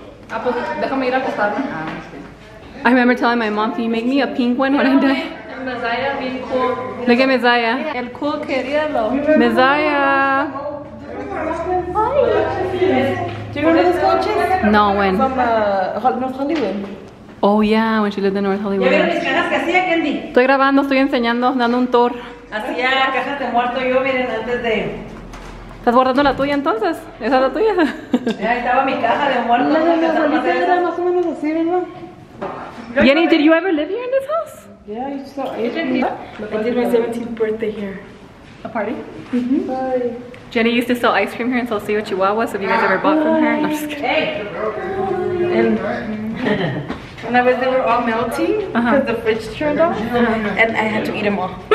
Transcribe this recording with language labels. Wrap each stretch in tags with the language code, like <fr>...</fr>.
<en>I remember telling my mom, can you make me a pink one when I die? Look at Messiah.</en> <es>El cool quería lo.</es> <en>Messiah. Do you remember those coaches? No, when? From North Hollywood. Oh yeah, when she lived in North Hollywood.</en> <es>Ya vieron las cajas que hacía, Candy. Estoy grabando, estoy enseñando, dando un tour. Hacía cajas de muerto yo, miren, antes de... ¿Estás guardando la tuya entonces? ¿Esa es la tuya? Ahí estaba mi caja de muerto. No, no, no, no, era más o menos así, ¿verdad?</es> <en>Jenny, did you ever live here in this house? Yeah, I just saw 8 years. I did my 17th birthday here. A party? Mm-hmm. Bye. Jenny used to sell ice cream here in Saucillo, Chihuahua, so if you guys ever bought from her, no, I'm just kidding. Hey. And I was, they were all melting because the fridge turned off, and I had to eat them all.</en>